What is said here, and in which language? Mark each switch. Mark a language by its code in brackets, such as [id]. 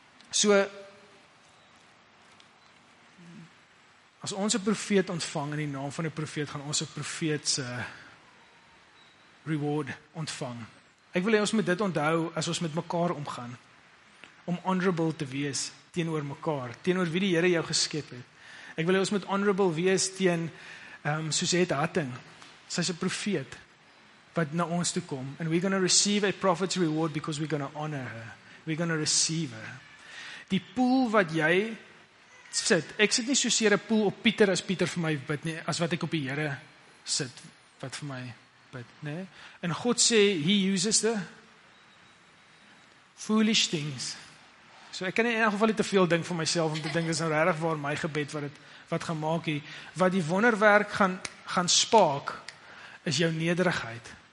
[af] So, as ons 'n profeet ontvang in die naam van 'n profeet, gaan ons 'n profeetse reward ontvang. Ek wil hê ons moet dit onthou as ons met mekaar omgaan, om honorable te wees teenoor mekaar, teenoor wie die Here jou geskep het. Ek wil hê ons moet honorable wees teen Suzette Hutting. Sy's 'n profeet wat na ons toe kom, [en] and we're going to receive a prophet's reward because we're going to honor her. We're going to receive her. [af] Die pool wat jy sit. Ek sit nie soseer 'n pool op Pieter as Pieter vir my bid nie, as wat ek op die Here sit wat vir my bid, né? En God sê [en] he uses the foolish things. [af] So ek kan in elk geval nie te veel ding vir myself om te dink dis nou regtig waar my gebed wat dit wat gemaak het, wat die wonderwerk gaan spaak is jou nederigheid.